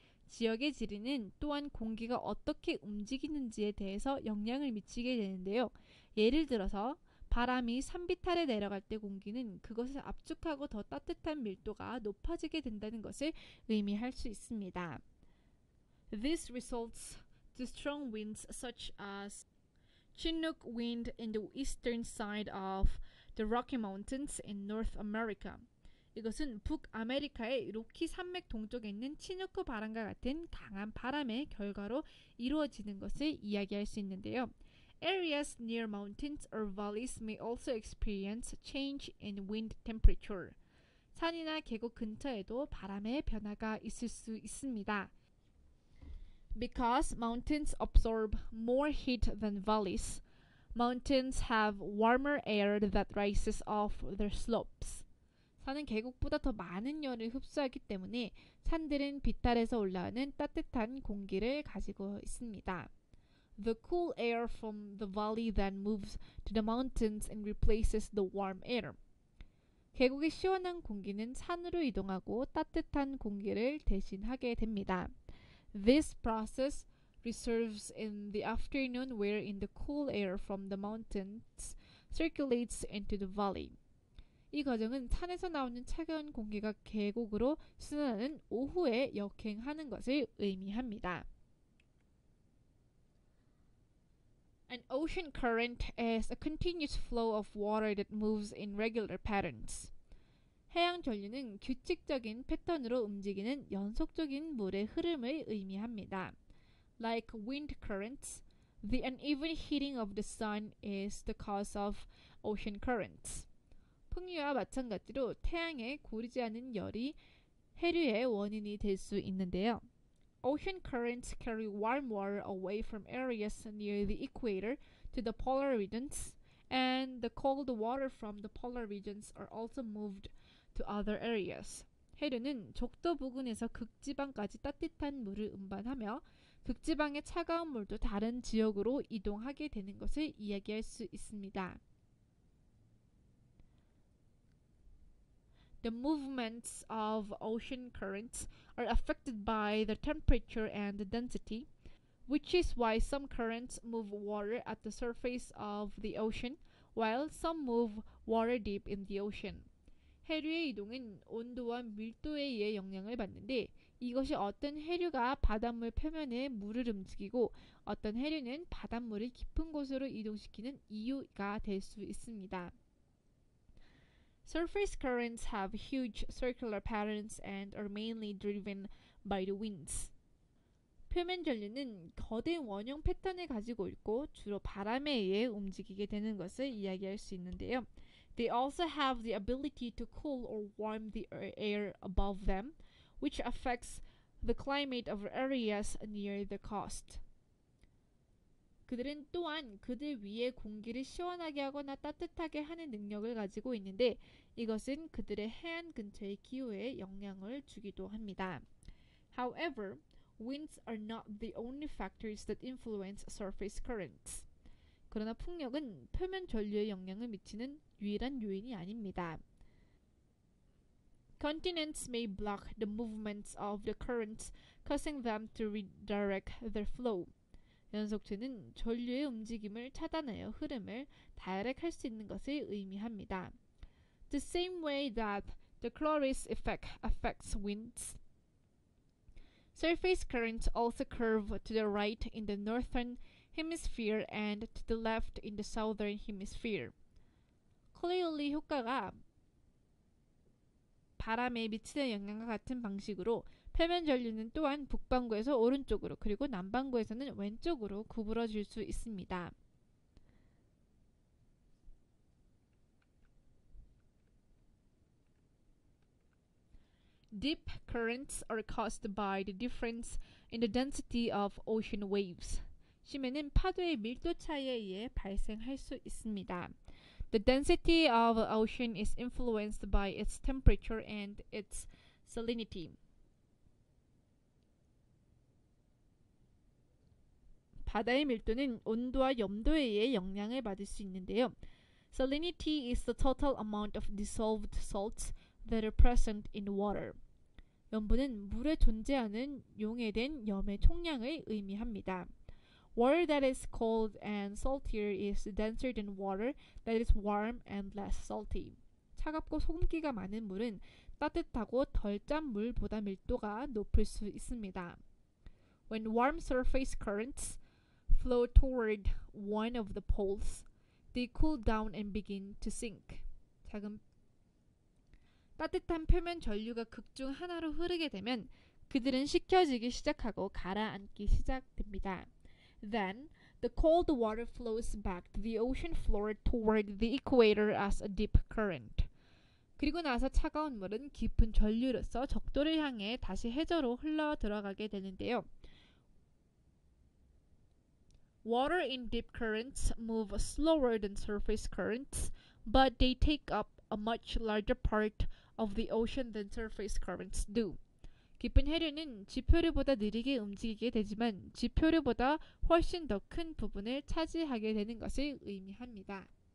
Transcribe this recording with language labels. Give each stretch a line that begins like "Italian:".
Korean: 지역의 지리는 또한 공기가 어떻게 움직이는지에 대해서 영향을 미치게 되는데요. 예를 들어서 바람이 산비탈에 내려갈 때 공기는 그것을 압축하고 더 따뜻한 밀도가 높아지게 된다는 것을 의미할 수 있습니다.
English: This results to strong winds such as Chinook wind in the eastern side of the Rocky Mountains in North America.
Korean: 이것은 북아메리카의 로키 산맥 동쪽에 있는 치누크 바람과 같은 강한 바람의 결과로 이루어지는 것을 이야기할 수 있는데요.
English: Areas near mountains or valleys may also experience change in wind temperature.
Korean: 산이나 계곡 근처에도 바람의 변화가 있을 수 있습니다.
English: Because mountains absorb more heat than valleys, mountains have warmer air that rises off their slopes.
Korean: 산은 계곡보다 더 많은 열을 흡수하기 때문에 산들은 비탈에서 올라오는 따뜻한 공기를 가지고 있습니다.
English: The cool air from the valley then moves to the mountains and replaces the warm air.
Korean: 계곡의 시원한 공기는 산으로 이동하고 따뜻한 공기를 대신하게 됩니다.
English: This process reserves in the afternoon where in the cool air from the mountains circulates into the valley.
Korean: 이 과정은 산에서 나오는 차가운 공기가 계곡으로 순환하는 오후에 역행하는 것을 의미합니다.
English: An ocean current is a continuous flow of water that moves in regular patterns.
Korean: 해양 전류는 규칙적인 패턴으로 움직이는 연속적인 물의 흐름을 의미합니다.
English: Like wind currents, the uneven heating of the sun is the cause of ocean currents.
Korean: 풍류와 마찬가지로 태양의 고르지 않은 열이 해류의 원인이 될 수 있는데요.
English: Ocean currents carry warm water away from areas near the equator to the polar regions, and the cold water from the polar regions are also moved to other areas.
Korean: 해류는 적도 부근에서 극지방까지 따뜻한 물을 운반하며 극지방의 차가운 물도 다른 지역으로 이동하게 되는 것을 이야기할 수 있습니다.
English: The movements of ocean currents are affected by the temperature and the density, which is why some currents move water at the surface of the ocean, while some move water deep in the ocean.
Korean: 해류의 이동은 온도와 밀도에 의해 영향을 받는데, 이것이 어떤 해류가 바닷물 표면에 물을 움직이고, 어떤 해류는 바닷물을 깊은 곳으로 이동시키는 이유가 될 수 있습니다.
English: Surface currents have huge circular patterns and are mainly driven by the winds.
Korean: 표면 전류는 거대한 원형 패턴을 가지고 있고 주로 바람에 의해 움직이게 되는 것을 이야기할 수 있는데요.
English: They also have the ability to cool or warm the air above them, which affects the climate of areas near the coast.
Korean: 그들은 또한 그들 위에 공기를 시원하게 하거나 따뜻하게 하는 능력을 가지고 있는데 이것은 그들의 해안 근처의 기후에 영향을 주기도 합니다.
English: However, winds are not the only factors that influence surface currents.
Korean: 그러나 풍력은 표면 전류에 영향을 미치는 유일한 요인이 아닙니다.
English: Continents may block the movements of the currents, causing them to redirect their flow.
Korean: 연속체는 전류의 움직임을 차단하여 흐름을 다이렉할 수 있는 것을 의미합니다.
English: The same way that the Chloris effect affects winds, surface currents also curve to the right in the northern hemisphere and to the left in the southern hemisphere.
Korean: Clearly, 효과가 바람에 미치는 영향과 같은 방식으로 표면 전류는 또한 북반구에서 오른쪽으로 그리고 남반구에서는 왼쪽으로 구부러질 수 있습니다.
English: Deep currents are caused by the difference in the density of ocean waves.
Korean: 심해는 파도의 밀도 차이에 의해 발생할 수 있습니다.
English: The density of an ocean is influenced by its temperature and its salinity.
Korean: 바다의 밀도는 온도와 염도에 의해 영향을 받을 수 있는데요.
English: Salinity is the total amount of dissolved salts that are present in water.
Korean: 염분은 물에 존재하는 용해된 염의 총량을 의미합니다.
English: Water that is cold and saltier is denser than water that is warm and less salty.
Korean: 차갑고 소금기가 많은 물은 따뜻하고 덜 짠 물보다 밀도가 높을 수 있습니다.
English: When warm surface currents flow toward one of the poles, they cool down and begin to sink.
Korean: 따뜻한 표면 전류가 극 중 하나로 흐르게 되면 그들은 식혀지기 시작하고 가라앉기 시작됩니다.
English: Then the cold water flows back to the ocean floor toward the equator as a deep current.
Korean: 그리고 나서 차가운 물은 깊은 전류로서 적도를 향해 다시 해저로 흘러 들어가게 되는데요.
English: Water in deep currents move slower than surface currents, but they take up a much larger part of the ocean than surface currents do.
Korean: 깊은 해류는 지표류보다 느리게 움직이게 되지만 지표류보다 훨씬 더 큰 부분을 차지하게 되는 것을 의미합니다.